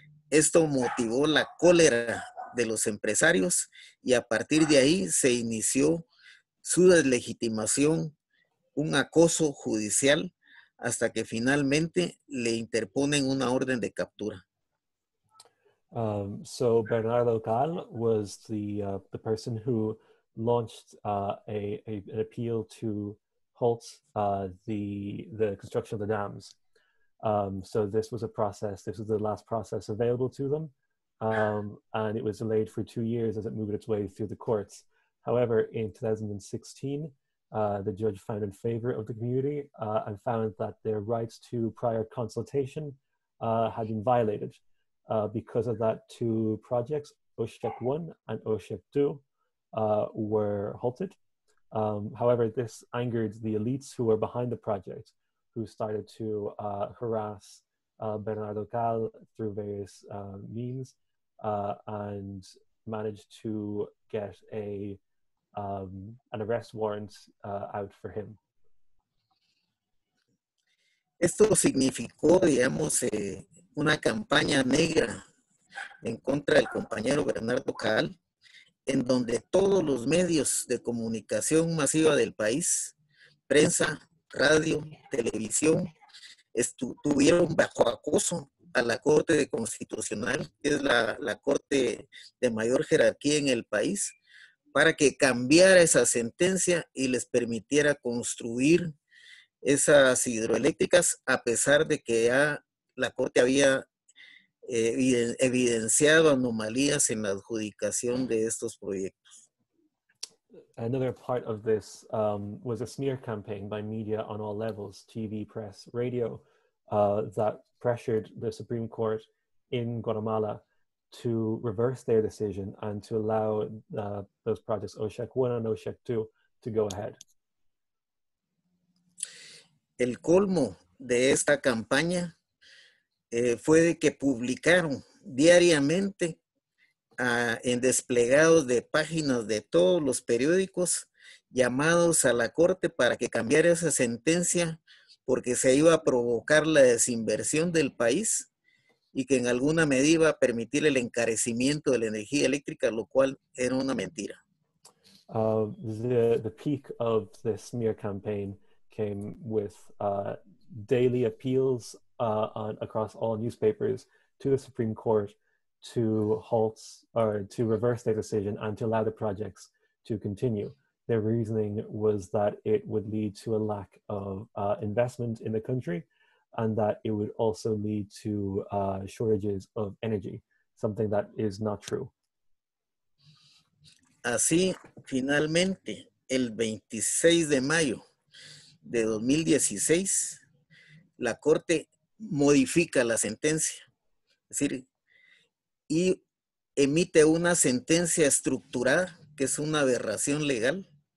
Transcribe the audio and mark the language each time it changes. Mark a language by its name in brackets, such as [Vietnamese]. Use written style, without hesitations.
[Spanish] Esto motivó la cólera de los empresarios y a partir de ahí se inició su deslegitimación, un acoso judicial, hasta que finalmente le interponen una orden de captura. [English] So Bernardo Cal was the person who launched an appeal to halt the construction of the dams. So this was a process, this was the last process available to them, and it was delayed for 2 years as it moved its way through the courts. However, in 2016, the judge found in favor of the community and found that their rights to prior consultation had been violated. Because of that, 2 projects, Oshek 1 and Oshek 2, were halted. However, this angered the elites who were behind the project, who started to harass Bernardo Cal through various means and managed to get an arrest warrant out for him. [Spanish] Esto significó, digamos, una campaña negra en contra del compañero Bernardo Cal, en donde todos los medios de comunicación masiva del país, prensa, radio, televisión, estuvieron bajo acoso a la Corte Constitucional, que es la corte de mayor jerarquía en el país, para que cambiara esa sentencia y les permitiera construir esas hidroeléctricas, a pesar de que ya la Corte había evidenciado anomalías en la adjudicación de estos proyectos. [English] Another part of this was a smear campaign by media on all levels, TV, press, radio, that pressured the Supreme Court in Guatemala to reverse their decision and to allow those projects, Oshek 1 and Oshek 2, to go ahead. [Spanish] El colmo de esta campaña fue de que publicaron diariamente en desplegados de páginas de todos los periódicos llamados a la corte para que cambiara esa sentencia porque se iba a provocar la desinversión del país y que en alguna medida iba a permitir el encarecimiento de la energía eléctrica, lo cual era una mentira. [English] The peak of the smear campaign came with daily appeals across all newspapers to the Supreme Court to halt or to reverse their decision and to allow the projects to continue. Their reasoning was that it would lead to a lack of investment in the country and that it would also lead to shortages of energy, something that is not true. [Spanish] Así, finalmente, el 26 de mayo de 2016, la Corte modifica la sentencia, es decir, y emite una sentencia estructurada, que es una aberración legal,